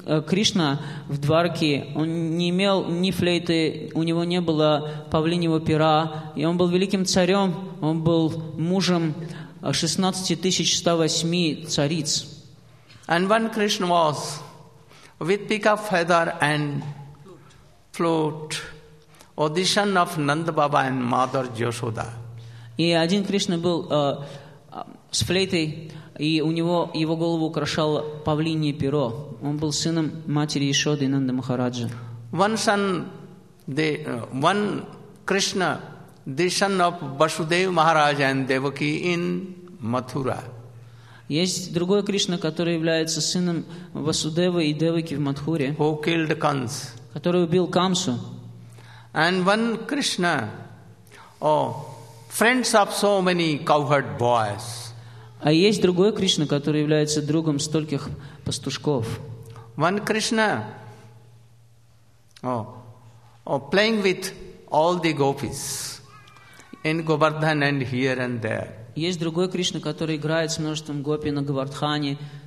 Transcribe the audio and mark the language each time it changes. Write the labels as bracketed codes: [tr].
[ru] Этот Кришна в Дварке, он не имел ни флейты, у него не было павлиньего пера, и он был великим царем, он был мужем 16,108 цариц. [en] And one Krishna was with peacock feather and flute, audition of Nanda Baba and Mother Yashoda. [ru] И один Кришна был с флейтой, и у него его голову украшало павлинье перо. Он был сыном матери Ишоды Нанда Махараджа. [en] One son, one Krishna, the son of Vasudev Maharaj and Devaki in Mathura. [ru] Есть другой Кришна, который является сыном Васудевы и Деваки в Матхуре. [en] Who killed Kans. [ru] Который убил Камсу. [en] And one Krishna, friends of so many cowherd boys. [ru] А есть другой Кришна, который является другом стольких пастушков. [en] One Krishna, playing with all the gopis in Govardhan and here and there. [ru] Есть другой Кришна, который играет с множеством гопи на Говардхане.